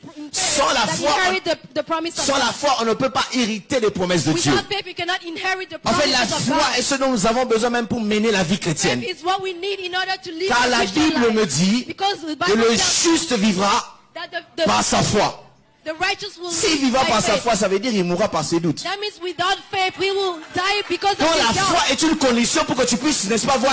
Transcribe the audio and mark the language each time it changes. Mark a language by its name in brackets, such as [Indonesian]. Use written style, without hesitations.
[French] Sans la foi, on ne peut pas hériter les promesses de Dieu. En fait, la foi est ce dont nous avons besoin même pour mener la vie chrétienne. Car la Bible me dit que le juste vivra par sa foi. [English] The righteous will [French] si il vivra par sa foi, ça veut dire qu'il mourra par ses doutes. [English] That means without faith, we will die because [French] quand [English] of [French] la foi est une condition pour que tu puisses, n'est-ce pas, voir